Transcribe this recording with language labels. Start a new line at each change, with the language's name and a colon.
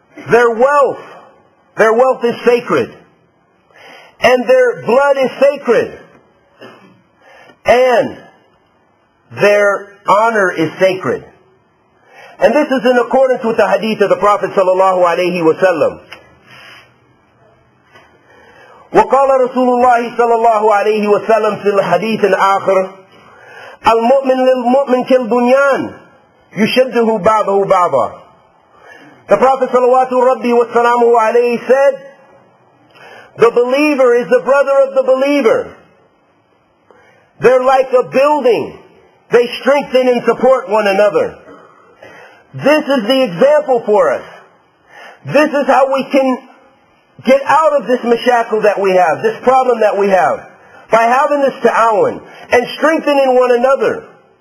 English: Their wealth is sacred, and their blood is sacred, and their honor is sacred. And this is in accordance with the hadith of the Prophet sallallahu alayhi wa sallam.
Arabic: وقال رسول الله صلى الله عليه وسلم في الحديث الآخر المؤمن للمؤمن كالبنيان يشده بعضه بعضا.
English: The Prophet sallallahu alayhi wa sallam said, the believer is the brother of the believer. They're like a building. They strengthen and support one another. This is the example for us. This is how we can get out of this mashakle that we have, this problem that we have, by having this ta'awun and strengthening one another.